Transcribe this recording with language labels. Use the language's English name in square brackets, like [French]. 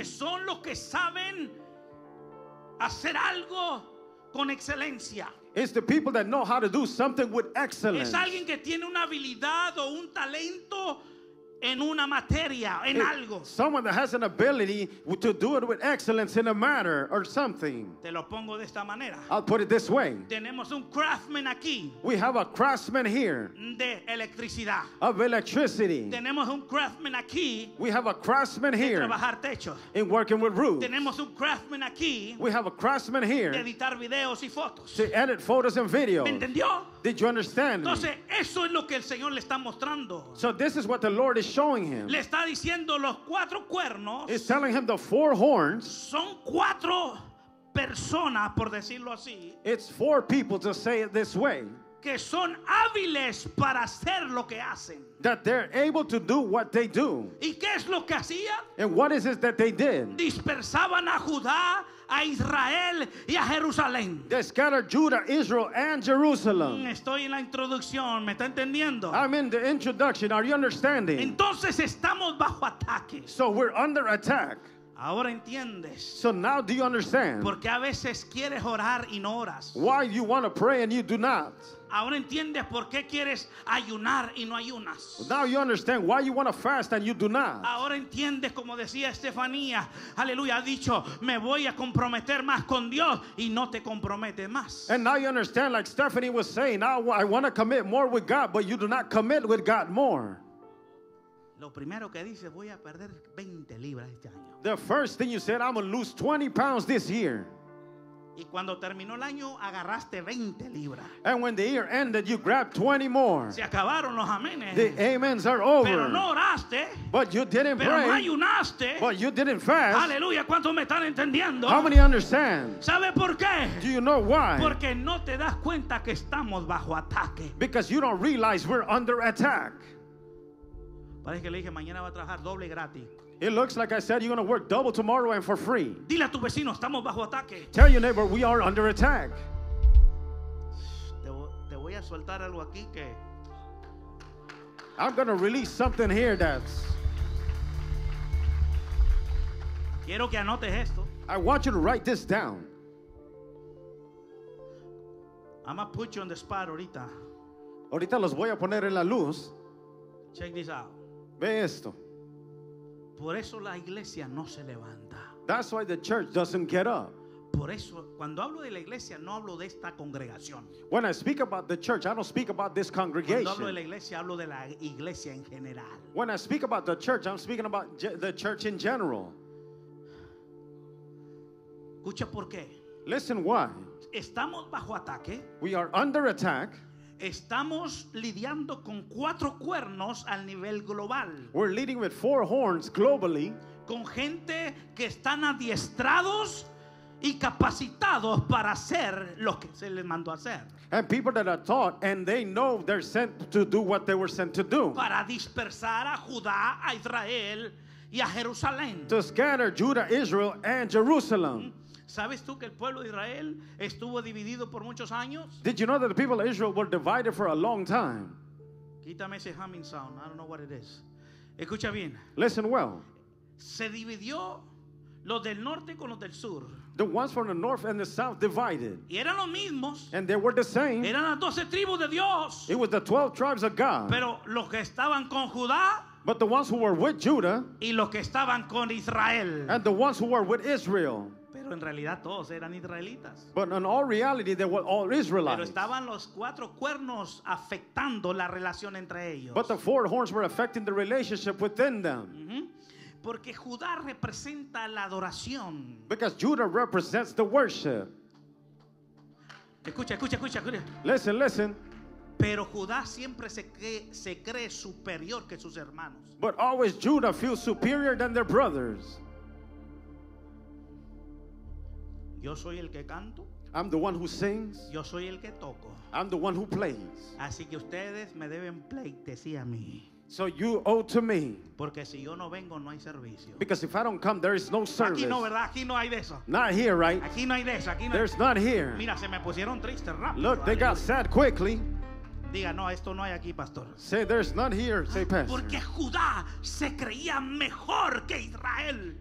[Spanish] Que son los que saben hacer algo con excelencia. [English] It's the people that know how to do something with excellence. [Spanish] Es alguien que tiene una habilidad o un talento en una materia, en algo. [English] Someone that has an ability to do it with excellence in a matter or something. [Spanish] Te lo pongo de esta manera. [English] I'll put it this way. [Spanish] Tenemos un craftsman aquí. [English] We have a craftsman here. [Spanish] De electricidad. [English] Of electricity. [Spanish] Tenemos un craftsman aquí. [English] We have a craftsman here. [Spanish] De trabajar techo. [English] In working with roofs. [Spanish] Tenemos un craftsman aquí. [English] We have a craftsman here. [Spanish] De editar videos y fotos. [English] To edit photos and videos. [Spanish] ¿Me entendió? [English] Did you understand? [Spanish] Entonces, eso es lo que el Señor le está mostrando. [English] So this is what the Lord is showing him. [Spanish] Le está diciendo los cuatro cuernos. [English] He's telling him the four horns. [Spanish] Son cuatro personas, por decirlo así. [English] It's four people to say it this way. [Spanish] Que son hábiles para hacer lo que hacen. [English] That they're able to do what they do. [Spanish] ¿Y qué es lo que hacían? [English] And what is it that they did? [Spanish] Dispersaban a Judá, a Israel y a Jerusalén. [English] They scattered Judah, Israel, and Jerusalem. [Spanish] Estoy en la introducción, ¿me está entendiendo? [English] I'm in the introduction, are you understanding? [Spanish] Entonces estamos bajo ataque. [English] So we're under attack. [Spanish] Ahora entiendes. [English] So now do you understand? [Spanish] Porque a veces quieres orar y no oras. [English] Why you want to pray and you do not? [Spanish] Ahora entiendes por qué quieres ayunar y no ayunas. [English] Now you understand why you want to fast and you do not. [Spanish] Ahora entiendes, como decía Estefanía, aleluya, ha dicho, me voy a comprometer más con Dios y no te comprometes más. [English] And now you understand, like Stephanie was saying, now I want to commit more with God, but you do not commit with God more. [Spanish] Lo primero que dice, voy a perder 20 libras este año. [English] The first thing you said, I'm going to lose 20 pounds this year. [Spanish] Y cuando terminó el año, agarraste 20 libras. [English] And when the year ended, you grabbed 20 more. [Spanish] Se acabaron los amenes. [English] The amens are over. [Spanish] Pero no oraste. [English] But you didn't [Spanish] pero [English] pray. [Spanish] Pero no ayunaste. [English] But you didn't fast. [Spanish] Aleluya, ¿cuántos me están entendiendo? [English] How many understand? [Spanish] ¿Sabe por qué? [English] Do you know why? [Spanish] Porque no te das cuenta que estamos bajo ataque. [English] Because you don't realize we're under attack. [Spanish] Parece que le dije, mañana va a trabajar doble gratis. [English] It looks like I said you're going to work double tomorrow and for free. [Spanish] Dile a tu vecino, estamos bajo ataque. [English] Tell your neighbor, we are under attack. [Spanish] Te voy a soltar algo aquí que... [English] I'm going to release something here that's... [Spanish] Quiero que anotes esto. [English] I want you to write this down. I'm going to put you on the spot ahorita. [Spanish] Ahorita los voy a poner en la luz. [English] Check this out. [Spanish] Ve esto. Por eso la iglesia no se levanta. [English] That's why the church doesn't get up. [Spanish] Por eso, cuando hablo de la iglesia, no hablo de esta congregación. [English] When I speak about the church, I don't speak about this congregation. [Spanish] Cuando hablo de la iglesia, hablo de la iglesia en general. [English] When I speak about the church, I'm speaking about the church in general. [Spanish] Escucha por qué. [English] Listen why. [Spanish] Estamos bajo ataque. [English] We are under attack. [Spanish] Estamos lidiando con cuatro cuernos al nivel global. [English] We're leading with four horns globally. [Spanish] Con gente que están adiestrados y capacitados para hacer lo que se les mandó hacer. [English] And people that are taught and they know they're sent to do what they were sent to do. [Spanish] Para dispersar a Judá, a Israel y a Jerusalén. [English] To scatter Judah, Israel and Jerusalem. [Spanish] ¿Sabes tú que el pueblo de Israel estuvo dividido por muchos años? [English] Did you know that the people of Israel were divided for a long time? [Spanish] Quítame ese [English] humming sound. I don't know what it is. [Spanish] Escucha bien. [English] Listen well. [Spanish] Se dividió los del norte con los del sur. [English] The ones from the north and the south divided. [Spanish] Y eran los mismos. [English] And they were the same. [Spanish] Eran las 12 tribus de Dios. [English] It was the 12 tribes of God. [Spanish] Pero los que estaban con Judá. [English] But the ones who were with Judah. [Spanish] Y los que estaban con Israel. [English] And the ones who were with Israel. [Spanish] Pero en realidad todos eran israelitas. [English] But in all reality, they were all Israelites. [Spanish] Pero estaban los cuatro cuernos afectando la relación entre ellos. [English] But the four horns were affecting the relationship within them. [Spanish] Porque Judá representa la adoración. [English] Because Judah represents the worship. [Spanish] Escucha. [English] Listen. [Spanish] Pero Judá siempre se cree superior que sus hermanos. [English] But always Judah feels superior than their brothers. [Spanish] Yo soy el que canto. [English] I'm the one who sings. [Spanish] Yo soy el que toco. [English] I'm the one who plays. [Spanish] Así que ustedes me deben pleitesía a mí. [English] So you owe to me. [Spanish] Porque si yo no vengo, no hay servicio. [English] Because if I don't come, there is no service. [Spanish] Aquí no, ¿verdad? Aquí no hay de eso. [English] Not here, right? [Spanish] Aquí no hay de eso. Aquí no. [English] There's [Spanish] hay... [English] not here. [Spanish] Mira, se me pusieron triste rápido. [English] Look, they got sad quickly. [Spanish] Diga, no, esto no hay aquí, pastor. [English] Say, there's none here, say pastor. [Spanish] Porque Judá se creía mejor que Israel.